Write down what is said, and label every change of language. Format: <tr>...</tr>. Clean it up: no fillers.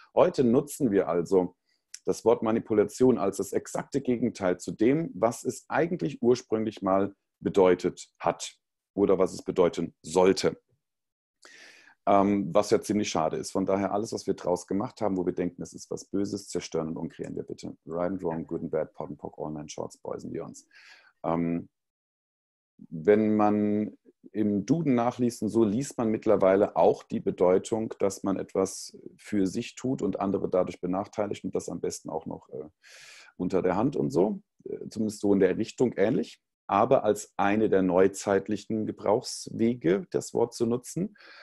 <de>Heute nutzen wir also das Wort Manipulation als das exakte Gegenteil zu dem, was es eigentlich ursprünglich mal bedeutet hat oder was es bedeuten sollte. Was ja ziemlich schade ist. Von daher, alles, was wir draus gemacht haben, wo wir denken, es ist was Böses, zerstören und umkreieren wir bitte.</de> <en>Right and wrong, good and bad, pot and pock, all nine shorts, boys and beyonds.</en> <de>Wenn man im Duden nachliest und so, liest man mittlerweile auch die Bedeutung, dass man etwas für sich tut und andere dadurch benachteiligt und das am besten auch noch unter der Hand und so. Zumindest so in der Richtung ähnlich. Aber als eine der neuzeitlichen Gebrauchswege, das Wort zu nutzen.</de>